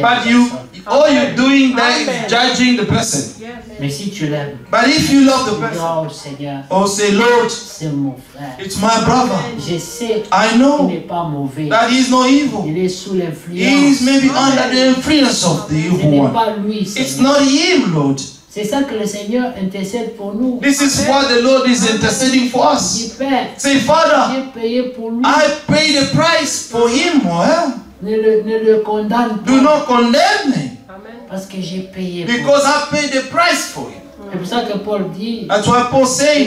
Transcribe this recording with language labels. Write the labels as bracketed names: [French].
[English] But you, all you're doing that is judging the person. [French] Mais si tu l'aimes. [English] But if you love the person. [French] Oh Seigneur. [English] Oh say Lord. [French] C'est mon frère. [English] It's my brother. [French] Je sais. [English] I know. [French] Il n'est pas mauvais. [English] That he's not evil. [French] Il est sous l'influence. [English] He is maybe under the influence of the evil one. [French] Ce n'est pas lui, Seigneur. [English] It's not him, Lord. [French] C'est ça que le Seigneur intercède pour nous. [English] This is what the Lord is interceding for us. Say Father. [French] J'ai payé pour lui. [English] I pay the price for him. [French] Ne le condamne pas. [English] Do not condemn him. [French] Parce que j'ai payé. [English] Because [French] pour [English] I paid the price for him. [French] C'est pour ça que Paul dit. [English] That's why Paul say.